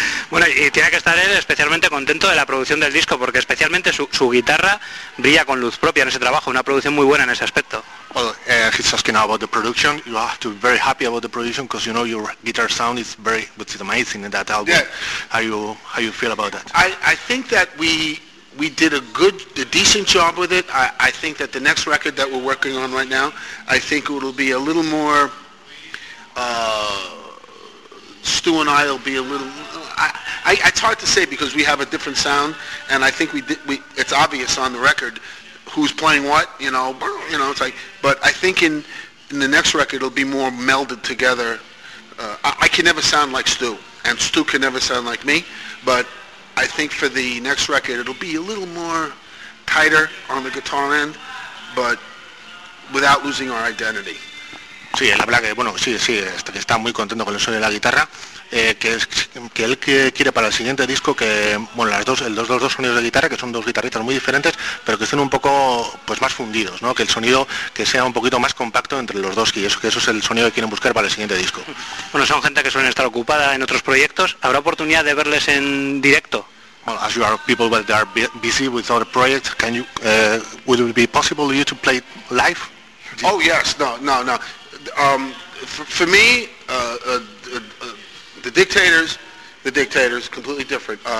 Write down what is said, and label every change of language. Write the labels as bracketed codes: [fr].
[es] Bueno, y tiene que estar él especialmente contento de la producción del disco, porque especialmente su guitarra brilla con luz propia en ese trabajo, una producción muy buena en ese aspecto. [en] Well, he's asking about the production. You have to be very happy about the production, because you know your guitar sound is very, which is amazing in that album. Yeah. How you feel about that? I think that we did a decent job with it. I think that the next record that we're working on right now, I think it'll be a little more, Stu and I will be a little, it's hard to say because we have a different sound, and I think it's obvious on the record who's playing what, you know, it's like, but I think in the next record it'll be more melded together. I can never sound like Stu, and Stu can never sound like me, but I think for the next record it'll be a little more tighter on the guitar end, but without losing our identity. [es] Sí, él habla que, bueno, sí, que está muy contento con el sonido de la guitarra, que él quiere para el siguiente disco que, bueno, los dos sonidos de guitarra, que son dos guitarristas muy diferentes, pero que estén un poco, pues, más fundidos, ¿no? Que el sonido, que sea un poquito más compacto entre los dos, que eso es el sonido que quieren buscar para el siguiente disco. Bueno, son gente que suelen estar ocupada en otros proyectos. ¿Habrá oportunidad de verles en directo? [en] Well, as you are people that are busy with other projects, can you, would it be possible for you to play live? Oh, yes, no. For me, the dictators, completely different.